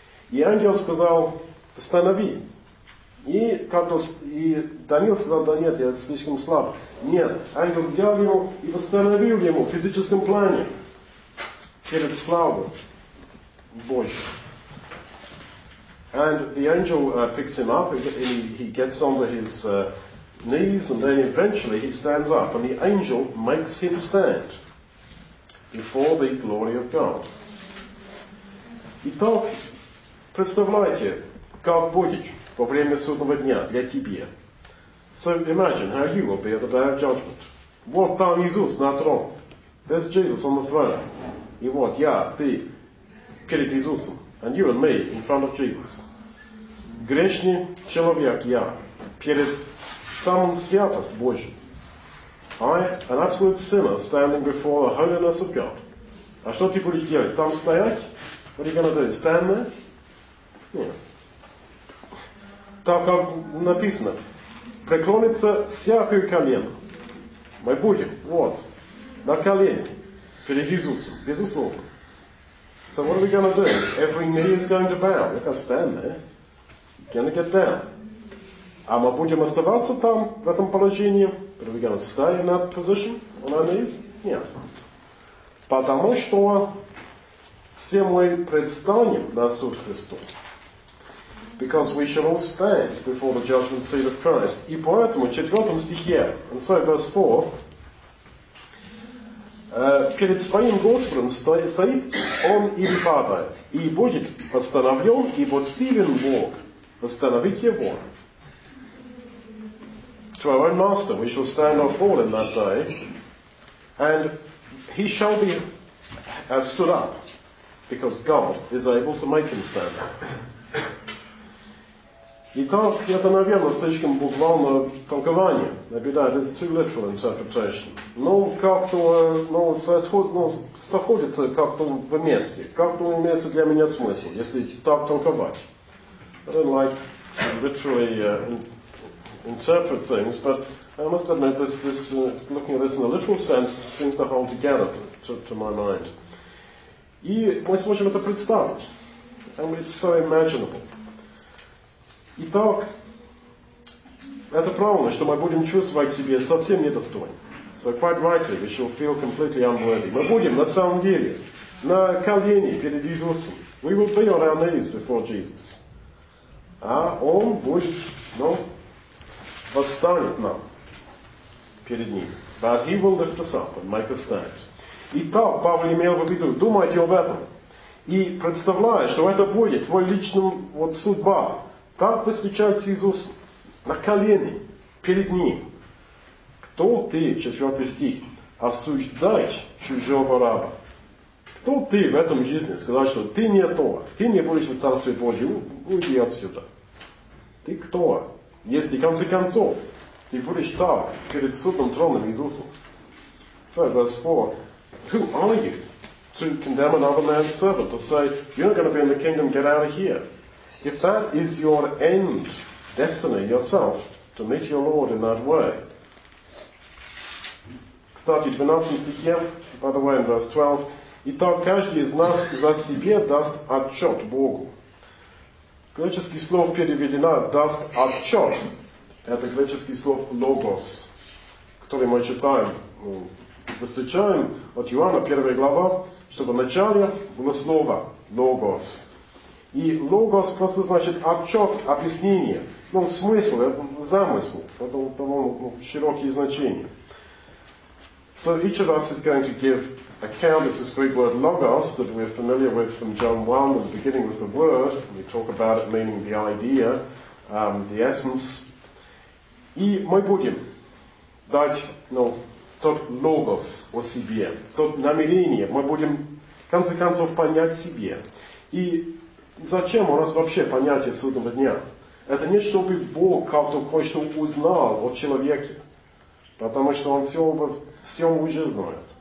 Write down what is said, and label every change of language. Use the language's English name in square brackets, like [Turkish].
[Russian] И ангел сказал, «Останови». И Даниил сказал, да нет, я слишком слаб. Нет, ангел взял его и восстановил ему в физическом плане перед славой Божьей. [English] And the angel picks him up, and he gets onto his knees, and then eventually he stands up, and the angel makes him stand before the glory of God. [Russian] Итак, представляете, как будет во время судного дня для тебя. [English] So imagine how you will be at the day of judgment. [Russian] Вот там Иисус на троне. [English] There's Jesus on the throne. [Russian] И вот я, ты, перед Иисусом. [English] And you and me in front of Jesus. [Russian] Грешный человек я, перед самым святость Божьим. [English] I, an absolute sinner, standing before the holiness of God. [Russian] А что ты будешь делать? Там стоять? [English] What are you going to do? Stand there? [Russian] Нет. Так как написано, преклонится всякое колено. Мы будем, вот, на колени, перед Иисусом, безусловно. [English] So what are we going to do? Every knee is going to bow. We're going to stand there. We're going to get down. [Russian] А мы будем оставаться там, в этом положении? [English] Are we going to stay in that position on our knees? [Russian] Нет. Потому что все мы предстанем на суд Христу. [English] Because we shall all stand before the judgment seat of Christ. [Russian] И поэтому, в 4 стихе, [English] and so verse 4, [Russian] перед своим Господом стоит он или падает, и будет восстановлен, ибо силен Бог восстановить его. [English] To our own master we shall stand or fall in that day, and he shall be as stood up, because God is able to make him stand up. [Russian] Итак, это, наверное, слишком буквальное толкование. [English] Maybe that is too literal interpretation. [Russian] Но как-то, соходится как-то вместе. Как-то имеется для меня смысл, если так толковать. [English] I don't like to literally interpret things, but I must admit, this looking at this in a literal sense seems to hold together to my mind. [Russian] И мы сможем это представить. [English] And it's so imaginable. [Russian] Итак, это правильно, что мы будем чувствовать себя совсем недостойно. [English] So quite rightly, we shall feel completely unworthy. [Russian] Мы будем на самом деле на колени перед Иисусом. [English] We will be on our knees before Jesus. [Russian] А Он будет, восстанет нам перед Ним. [English] But He will lift us up and make us stand. [Russian] Итак, Павел имел в виду, думайте об этом. И представляя, что это будет твой личным судьба. Так встречается Иисус на колени перед Ним. Кто ты, 4 стих, осуждать чужого раба? Кто ты в этом жизни сказать, что ты не то, ты не будешь в Царстве Божьем, уйди отсюда. Ты кто? Если в конце концов ты будешь так перед судным троном Иисуса. [English] So verse 4. Who are you to condemn another man's servant, to say, you're not going to be in the kingdom, get out of here? If that is your end, destiny, yourself, to meet your Lord in that way. [Russian] Кстати, 12 стихе, [English] by the way, in verse 12, [Russian] итак, каждый из нас за себя даст отчет Богу. Греческий слов переведено даст отчет. Это греческий слов логос, который мы читаем. Встречаем от Иоанна, 1 глава, что в начале было слово логос. И логос просто значит отчет, объяснение, смысл, замысл, это широкие значения. [English] So each of us is going to give account. This is Greek word logos that we're familiar with from John 1. At the beginning was the word. We talk about it meaning the idea, the essence. [Russian] И мы будем дать, тот логос о себе, тот намерение. Мы будем, в конце концов, понять себе. И зачем у нас вообще понятие судного дня? Это не чтобы Бог как-то кое-что узнал о человеке, потому что Он все уже знает.